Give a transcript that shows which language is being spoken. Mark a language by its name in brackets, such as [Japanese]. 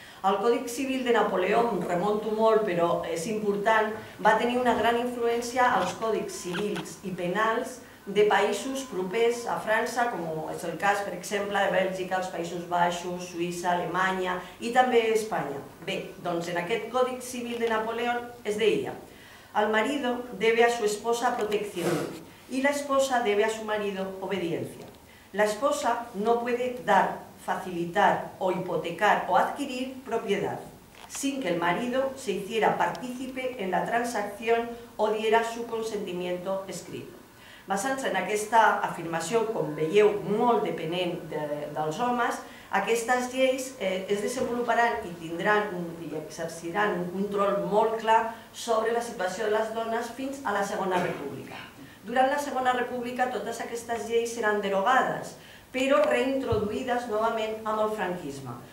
[Catalan] El Codi Civil de Napoleó, remonto molt però és important, va tenir una gran influència als codis civils i penals de països propers a França, com és el cas, per exemple, de Bèlgica, els Països Baixos, Suïssa, Alemanya i també Espanya. Bé, doncs en aquest Codi Civil de Napoleó es deia: [Spanish] el marido debe a su esposa protección y la esposa debe a su marido obediencia. La esposa no puede dar, facilitar o hipotecar o adquirir propiedad sin que el marido se hiciera partícipe en la transacción o diera su consentimiento escrito. [Catalan] Basant-se en aquesta afirmació, com veieu, molt depenent dels homes, aquestes lleis es desenvoluparan i tindran i exerciran un control molt clar sobre la situació de les dones fins a la Segona República. Durant la Segona República totes aquestes lleis seran derogades, però reintroduïdes novament amb el franquisme.